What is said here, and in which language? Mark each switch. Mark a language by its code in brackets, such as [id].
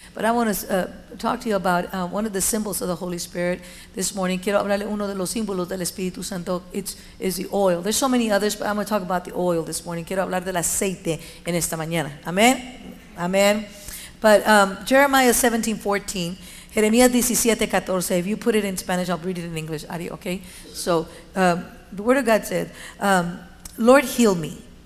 [en] But I want to talk to you about one of the symbols of the Holy Spirit this morning. [es] Quiero hablarle uno de los símbolos del Espíritu Santo. [en] It's the oil. There's so many others, but I'm going to talk about the oil this morning. [es] Quiero hablar del aceite en esta mañana. Amen. Amen. [en] But Jeremiah 17:14. Jeremiah 17:14. If you put it in Spanish, I'll read it in English. Ari, okay? So the Word of God said, Lord, heal me.